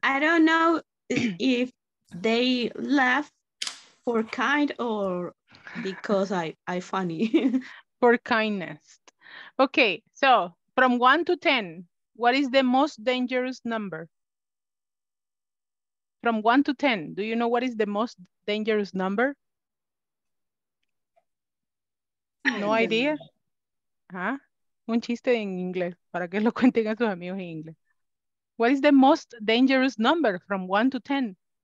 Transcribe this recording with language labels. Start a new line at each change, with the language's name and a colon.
English: I don't know if they laugh for kind or because I funny. For kindness. Okay, so from 1 to 10, what is the most dangerous number? From 1 to 10, do you know what is the most dangerous number? No idea? Huh?
Spanish: Un chiste en inglés para que lo cuenten a sus amigos en inglés.
English: What is the most dangerous number from 1 to 10?